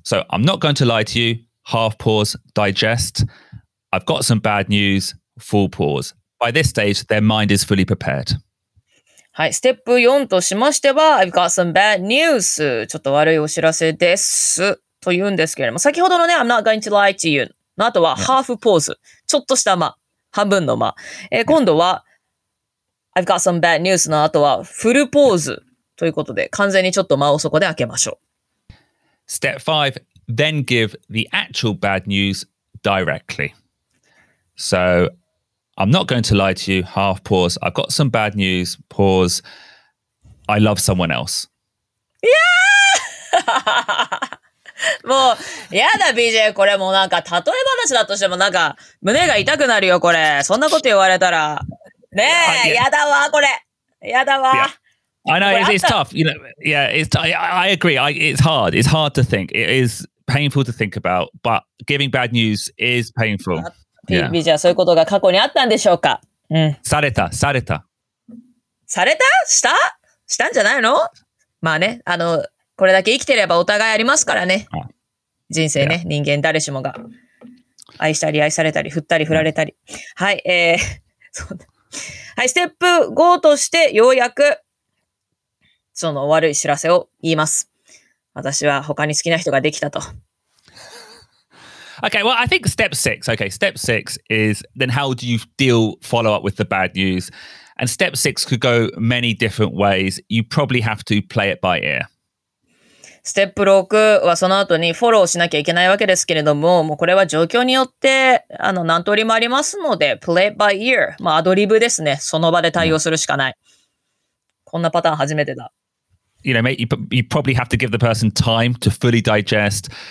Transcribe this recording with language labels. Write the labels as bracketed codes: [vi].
[en] So, I'm not going to lie to you. Half pause. Digest. I've got some bad news. Full pause. By this stage, their mind is fully prepared. [ja] はい、ステップ4としましては、 [en] I've got some bad news. [ja] ちょっと悪いお知らせです。と言うんですけれども、先ほどのね、 [en] I'm not going to lie to you. [ja] の後は、 [en] half pause. [ja] ちょっとした間。半分の間。今度は、 [en] I've got some bad news. [ja] の後は、フルポーズ。ということで、完全にちょっと間をそこで開けましょう。 [en] Step 5. Then give the actual bad news directly. So,I'm not going to lie to you, half pause. I've got some bad news, pause. I love someone else. Yeah! [ja] もう、やだ、BJ。これもなんか、例え話だとしてもなんか、胸が痛くなるよ、これ。そんなこと言われたら。ねえ、やだわ、これ。やだわ。 [en] Yeah. I know, it's tough. You know, yeah, I agree. It's hard. It's hard to think. It is painful to think about, but giving bad news is painful. [ja] ビジはそういうことが過去にあったんでしょうか、 [en] yeah. [ja] うん、された、された。された?した?したんじゃないの? まあね、これだけ生きてればお互いありますからね。人生ね、 [en] yeah. [ja] 人間誰しもが。愛したり愛されたり、振ったり振られたり。はい、はい、ステップ5としてようやく、その悪い知らせを言います。私は他に好きな人ができたと。 [en] Okay, well, I think step six, okay, step six is then how do you deal, follow up with the bad news? And step six could go many different ways. You probably have to play it by ear. [ja] Step 6はその後にフォローしなきゃいけないわけですけれども、もうこれは状況によって何通りもありますので、 [en] play it by ear。 [ja] まあアドリブですね。その場で対応するしかない。こんなパターン初めてだ。 [en] You know, mate, you probably have to give the person time to fully digest.